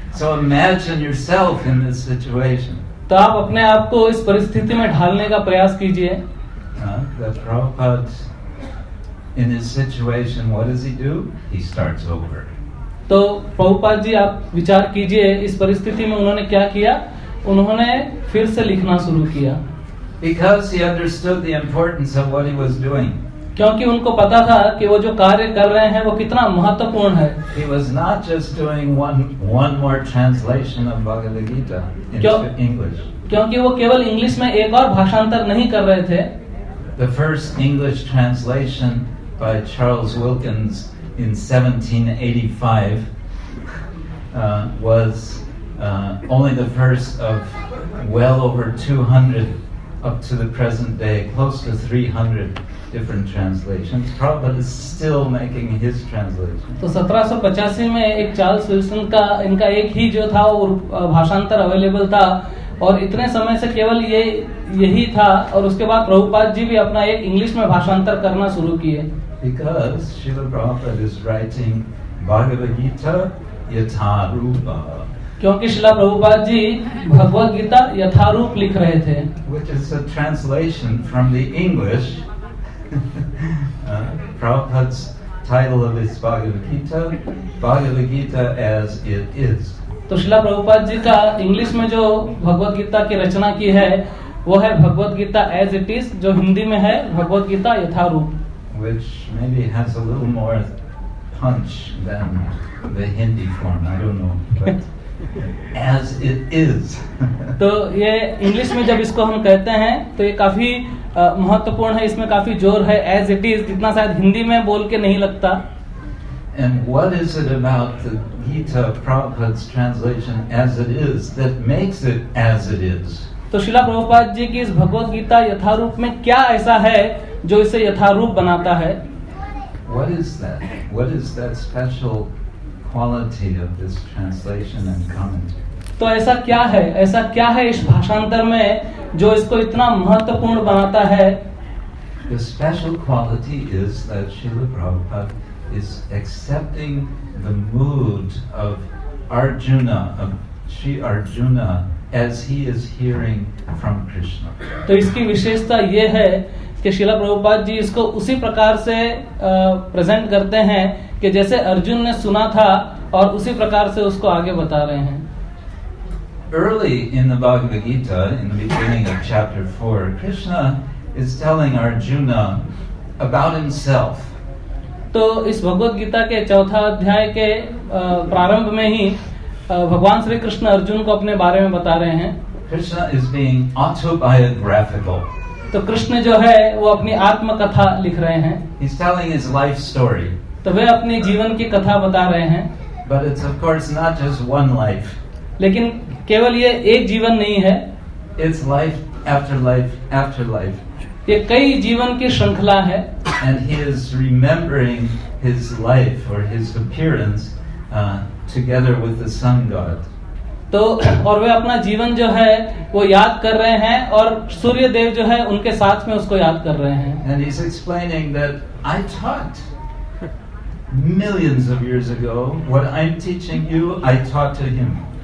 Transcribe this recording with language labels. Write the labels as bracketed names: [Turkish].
[English] So imagine yourself in this situation. [Hindi] तो आप अपने आप को इस परिस्थिति में ढालने का प्रयास कीजिए. [English] That Prabhupada, in his situation, what does he do? He starts over. [Hindi] तो प्रभुपाद जी आप विचार कीजिए इस परिस्थिति में उन्होंने क्या किया, उन्होंने फिर से लिखना शुरू किया। [English] Because he understood the importance of what he was doing. [Hindi] क्योंकि उनको पता था कि वो जो कार्य कर रहे हैं वो कितना महत्वपूर्ण है। [English] He was not just doing one more translation of Bhagavad Gita in English. [Hindi] क्योंकि वो केवल इंग्लिश में एक और भाषांतर नहीं कर रहे थे। [English] The first English translation by Charles Wilkins in 1785 was only the first of well over 200 up to the present day, close to 300 different translations. Prabhupada is still making his translation. [Hindi] तो 1785 में एक चार्ल्स विल्सन का इनका एक ही जो था वो भाषांतर अवेलेबल था और इतने समय से केवल ये यही था और उसके बाद प्रभुपाद जी भी अपना एक इंग्लिश में भाषांतर करना शुरू किए। [English] Because Srila Prabhupada is writing Bhagavad Gita Yatharupa. [Hindi] क्योंकि श्रीला प्रभुपाद जी भगवत गीता यथारूप लिख रहे थे। [English] Which is a translation from the English. Prabhupada's title of his Bhagavad Gita as it is. [Hindi] तो श्रीला प्रभुपाद जी का इंग्लिश में जो भगवत गीता की रचना की है वो है Bhagavad Gita as it is, जो हिंदी में है भगवत गीता यथारूप। [English] Which maybe has a little more punch than the Hindi form. I don't know. As it is. [Hindi] तो ये इंग्लिश में जब इसको हम कहते हैं तो ये काफी महत्वपूर्ण है, इसमें काफी जोर है [English] as it is, [Hindi] जितना शायद हिंदी में बोल के नहीं लगता। [English] And what is it about the Gita Prabhupada's translation as it is that makes it as it is? [Hindi] तो श्रीला प्रभुपाद जी की इस भगवत गीता यथारूप में क्या ऐसा है जो इसे यथारूप बनाता है? [English] What is that? What is that special quality of this translation and commentary? [Hindi] तो ऐसा क्या है? ऐसा क्या है इस भाषांतर में जो इसको इतना महत्वपूर्ण बनाता है? [English] The special quality is that Srila Prabhupada is accepting the mood of Arjuna, of Sri Arjuna, as he is hearing from Krishna. [Hindi] तो इसकी विशेषता ये है कि शिला प्रभुपाद जी इसको उसी प्रकार से प्रेजेंट करते हैं कि जैसे अर्जुन ने सुना था और उसी प्रकार से उसको आगे बता रहे हैं। [English] Early in the Bhagavad Gita, in the beginning of chapter 4, Krishna is telling Arjuna about himself. [Hindi] तो इस भगवत गीता के चौथा अध्याय के प्रारंभ में ही भगवान श्री कृष्ण अर्जुन को अपने बारे में बता रहे हैं। [English] Krishna is being autobiographical. [Hindi] तो कृष्ण जो है वो अपनी आत्मकथा लिख रहे हैं। [English] He's telling his life story. [Hindi] तो वे अपने जीवन की कथा बता रहे हैं। [English] But it's of course not just one life. [Hindi] लेकिन केवल ये एक जीवन नहीं है। [English] It's life after life after life. [Hindi] ये कई जीवन की श्रृंखला है। [English] And he is remembering his life or his appearance together with the sun god. [Hindi] तो और वे अपना जीवन जो है वो याद कर रहे हैं और सूर्य देव जो है उनके साथ में उसको याद कर रहे हैं। [English] And he's explaining that I taught millions of years ago what I'm teaching you, I taught to him.